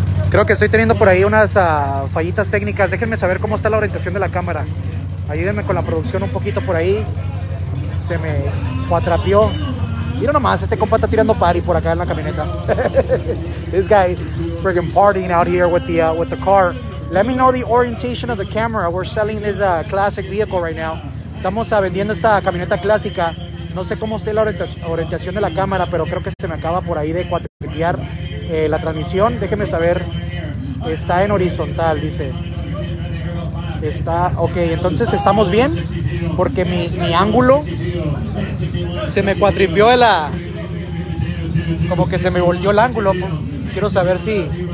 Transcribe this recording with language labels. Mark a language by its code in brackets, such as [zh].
[es] Creo que estoy teniendo por ahí unas fallitas técnicas. Déjenme saber cómo está la orientación de la cámara. Ayúdenme con la producción un poquito por ahí. Se me cuatrapió. Mira nomás, este compa está tirando party por acá en la camioneta. [en] This guy freaking partying out here with the car. Let me know the orientation of the camera. We're selling this classic vehicle right now. [es] Estamos vendiendo esta camioneta clásica. No sé cómo esté la orientación de la cámara, pero creo que se me acaba por ahí de cuatrapiar. La transmisión, déjeme saber, está en horizontal, dice. Está, ok, entonces estamos bien, porque mi ángulo se me cuatripió como que se me volteó el ángulo. Quiero saber si